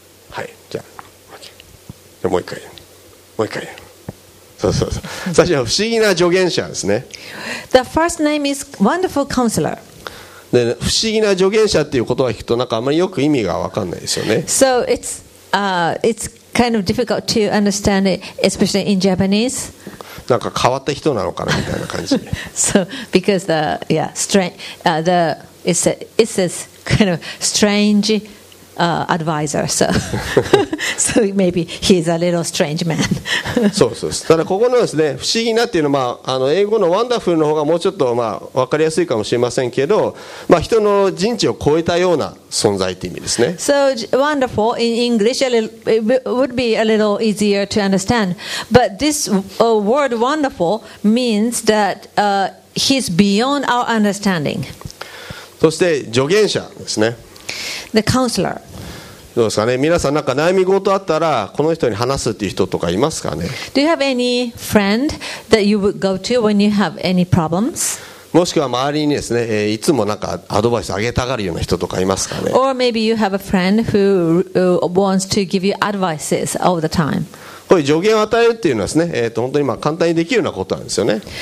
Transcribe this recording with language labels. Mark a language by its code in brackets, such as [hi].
[ja] はい、じゃあ、OK、じゃあもう一回、もう一回。そう。最初は不思議な助言者ですね。 [en] The first name is Wonderful Counselor. [ja] で、ね、不思議な助言者っていう言葉を聞くとなんかあまりよく意味が分かんないですよね。 [en] So it's kind of difficult to understand it, especially in Japanese. [ja] なんか変わった人なのかなみたいな感じ。 [en] So because the yeah strange the it says kind of strange advisor. So. So maybe he's a little strange man. [ja] そうそう。ただここのですね、不思議なっていうのは、まあ、あの英語のワンダフルの方がもうちょっと、まあ、分かりやすいかもしれませんけど、まあ、人の人知を超えたような存在って意味ですね。 [en] So wonderful in English, a little, it would be a little easier to understand. But this word wonderful means that he's beyond our understanding. [ja] そして助言者ですね。 [en] The counselor. [ja] どうですかね、皆さんなんか悩み事あったらこの人に話すっていう人とかいますかね。 [en] Do you have any friend that you would go to when you have any problems? [ja] もしくは周りにですね、いつもなんかアドバイスあげたがるような人とかいますかね。 [en] Or maybe you have a friend who wants to give you advices all the time. [ja] こういう助言を与えるっていうのはですね、本当にまあ簡単にできるようなことなんですよね。